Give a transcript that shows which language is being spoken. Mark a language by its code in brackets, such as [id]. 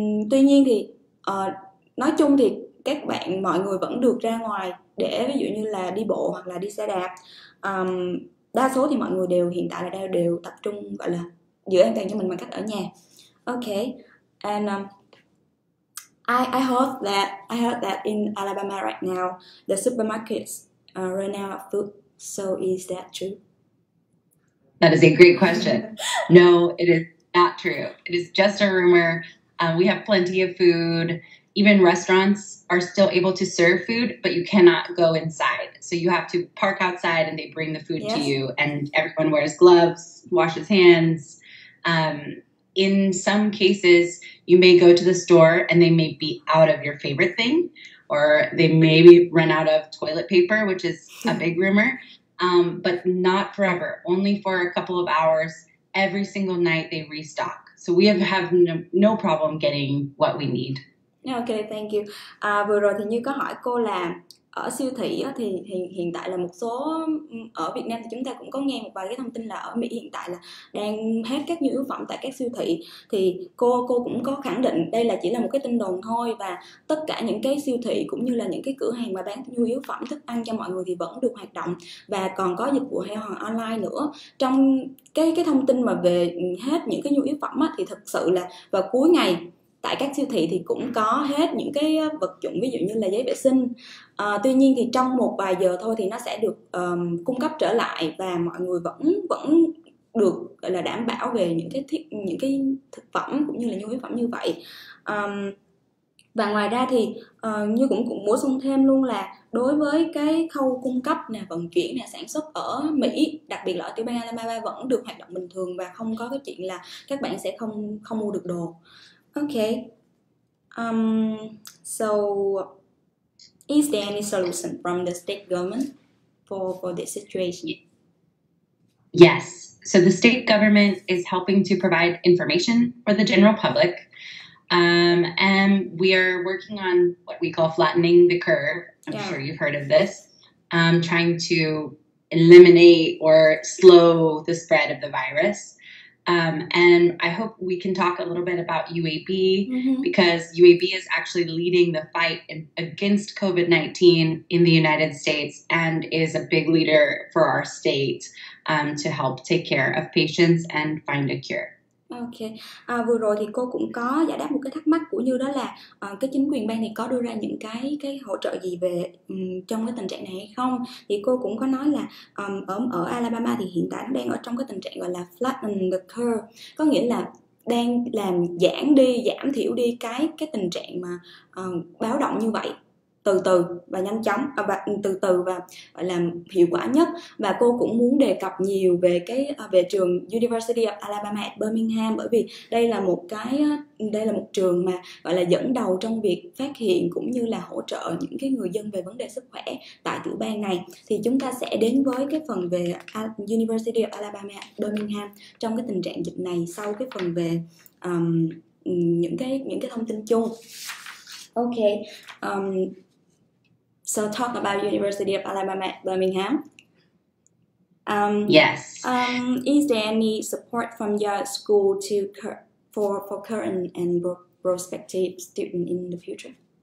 [vi] Tuy nhiên thì nói chung thì các bạn, mọi người vẫn được ra ngoài để ví dụ như là đi bộ hoặc là đi xe đạp. Đa số thì mọi người đều hiện tại là đều tập trung gọi là giữ an toàn cho mình bằng cách ở nhà. [en] Okay, and I heard that in Alabama right now the supermarkets run out of food. So is that true? That is a great question. No, it is not true. It is just a rumor. We have plenty of food. Even restaurants are still able to serve food, but you cannot go inside. So you have to park outside and they bring the food yes. to you. And everyone wears gloves, washes hands. In some cases, you may go to the store and they may be out of your favorite thing, or they may run out of toilet paper, which is a big rumor, but not forever, only for a couple of hours. Every single night they restock. So we have no problem getting what we need. Okay, thank you. [vi] Vừa rồi thì như có hỏi cô là ở siêu thị thì hiện tại là một số ở Việt Nam thì chúng ta cũng có nghe một vài cái thông tin là ở Mỹ hiện tại là đang hết các nhu yếu phẩm tại các siêu thị, thì cô cũng có khẳng định đây là chỉ là một cái tin đồn thôi và tất cả những cái siêu thị cũng như là những cái cửa hàng mà bán nhu yếu phẩm thức ăn cho mọi người thì vẫn được hoạt động và còn có dịch vụ giao hàng online nữa. Trong cái thông tin mà về hết những cái nhu yếu phẩm thì thực sự là vào cuối ngày tại các siêu thị thì cũng có hết những cái vật dụng ví dụ như là giấy vệ sinh. Tuy nhiên thì trong một vài giờ thôi thì nó sẽ được cung cấp trở lại và mọi người vẫn được gọi là đảm bảo về những cái thực phẩm cũng như là nhu yếu phẩm như vậy. Và ngoài ra thì như cũng bổ sung thêm luôn là đối với cái khâu cung cấp nè, vận chuyển nè, sản xuất ở Mỹ, đặc biệt là ở tiểu bang Alabama vẫn được hoạt động bình thường và không có cái chuyện là các bạn sẽ không mua được đồ. [en] Okay. So is there any solution from the state government for this situation? Yes. So the state government is helping to provide information for the general public. And we are working on what we call flattening the curve. I'm sure you've heard of this. Trying to eliminate or slow the spread of the virus. And I hope we can talk a little bit about UAB mm-hmm. because UAB is actually leading the fight against COVID-19 in the United States and is a big leader for our state to help take care of patients and find a cure. Okay. [vi] Vừa rồi thì cô cũng có giải đáp một cái thắc mắc của Như đó là cái chính quyền bang này có đưa ra những cái hỗ trợ gì về trong cái tình trạng này hay không? Thì cô cũng có nói là ở Alabama thì hiện tại nó đang ở trong cái tình trạng gọi là [en] flatten the curve, [vi] có nghĩa là đang làm giảm thiểu đi cái tình trạng mà báo động như vậy từ từ và nhanh chóng và từ từ và làm hiệu quả nhất. Và cô cũng muốn đề cập nhiều về trường University of Alabama at Birmingham, bởi vì đây là một trường mà gọi là dẫn đầu trong việc phát hiện cũng như là hỗ trợ những cái người dân về vấn đề sức khỏe tại tiểu bang này. Thì chúng ta sẽ đến với cái phần về University of Alabama at Birmingham trong cái tình trạng dịch này sau cái phần về những cái thông tin chung. Okay. [en] So talk about University of Alabama at Birmingham. Yes. Is there any support from your school for current and prospective students in the future?